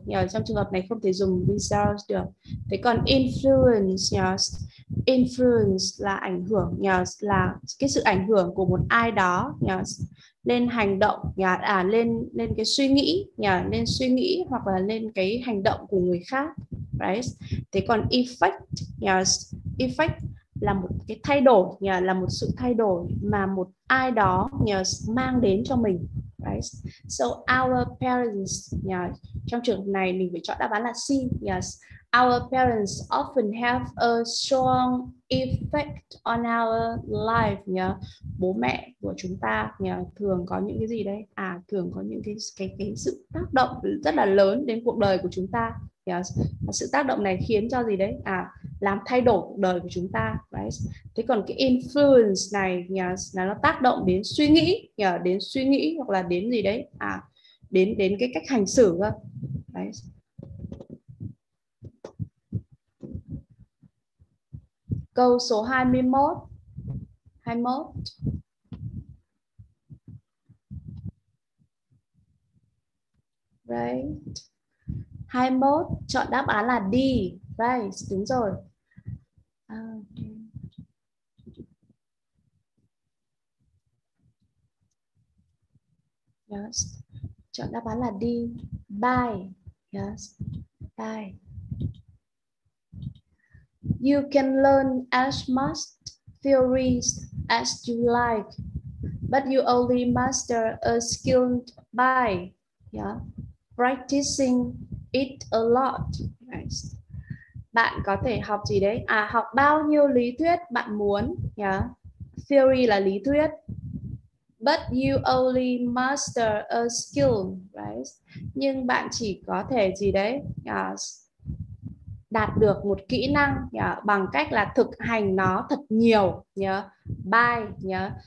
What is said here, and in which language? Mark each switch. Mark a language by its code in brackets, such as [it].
[vi] Yes, trong trường hợp này không thể dùng results được. Thế còn influence, yes, influence là ảnh hưởng, yes, là cái sự ảnh hưởng của một ai đó, yes, lên hành động, yes, à lên cái suy nghĩ, yes, lên suy nghĩ hoặc là lên cái hành động của người khác. Right. Thế còn effect, yes, effect là một cái thay đổi, yes, là một sự thay đổi mà một ai đó, yes, mang đến cho mình. Right. [en] So our parents, [vi] yes, trong trường hợp này mình phải chọn đáp án là C, yes. [en] Our parents often have a strong effect on our life, yes. [vi] Bố mẹ của chúng ta, yes, thường có những cái gì đấy? À, thường có những cái sự tác động rất là lớn đến cuộc đời của chúng ta. Yes. Sự tác động này khiến cho gì đấy? À, làm thay đổi cuộc đời của chúng ta. Right. Thế còn cái influence này, yes, là nó tác động đến suy nghĩ, yes, đến suy nghĩ hoặc là đến gì đấy? À, đến cái cách hành xử. Right. Câu số 21. Right. 21, chọn đáp án là D, right, đúng rồi. Yes, chọn đáp án là D, buy, yes, buy. [en] You can learn as much theories as you like, but you only master a skill by, yeah, practicing it a lot. [vi] Right. Bạn có thể học gì đấy? À, học bao nhiêu lý thuyết bạn muốn, yeah. Theory là lý thuyết. [en] But you only master a skill, right? [vi] Nhưng bạn chỉ có thể gì đấy? Yes. Đạt được một kỹ năng, yeah, bằng cách là thực hành nó thật nhiều, nhớ. Yeah. By, nhớ. Yeah.